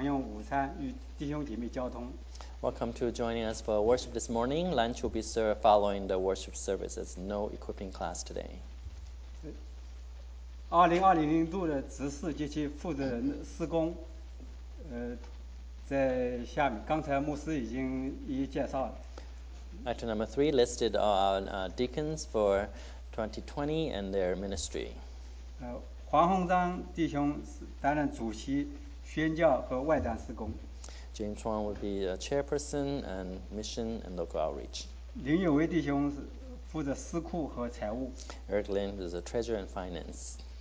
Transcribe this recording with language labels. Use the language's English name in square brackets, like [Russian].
[Chinese] 今天的成人装备训练将暂停，并提早午餐，请各位留步享用午餐与弟兄姐妹交通。 [English] Welcome to joining us for worship this morning. Lunch will be served following the worship service. There's no equipping class today. [Chinese] 2020年度的执事及其负责人的事工，在下面，刚才牧师已经介绍了。 [English] Item number three listed our deacons for 2020 and their ministry. [Chinese] 黄宏章弟兄担任主席宣教和外展事工。 [English] James Wong will be a chairperson and mission and local outreach. [Chinese] 林有为弟兄负责司库和财务。 [English] Eric Lin is a treasure and finance.